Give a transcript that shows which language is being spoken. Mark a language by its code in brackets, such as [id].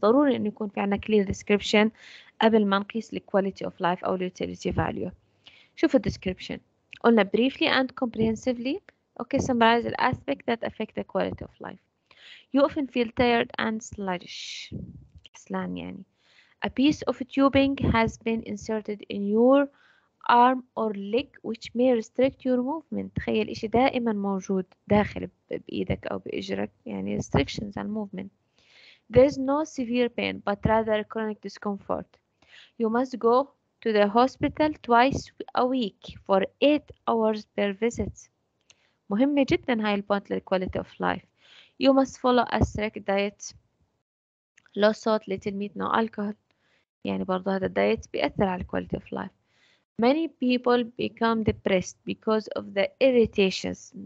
[ar] ضروري انه يكون في عنا [en] clear description [ar] قبل ما نقيس الـ quality of life أو الـ utility value. شوف الـ description. قلنا [en] briefly and comprehensively. Okay, summarize the aspect that affect the quality of life. You often feel tired and sluggish. [ar] كسلان يعني. [en] A piece of tubing has been inserted in your arm or leg which may restrict your movement. [ar] تخيل إشي دائما موجود داخل بإيدك أو بإجرك. [en] يعني restrictions on movement. There is no severe pain, but rather chronic discomfort. You must go to the hospital twice a week for 8 hours per visit. [ar] مهمة جدا هاي البوينت للكواليتي اوف لايف. [en] You must follow a strict diet. Low salt, little meat, no alcohol. [ar] يعني برضو هذا الدايت بيأثر على الكواليتي اوف لايف. [en] Many people become depressed because of the irritations.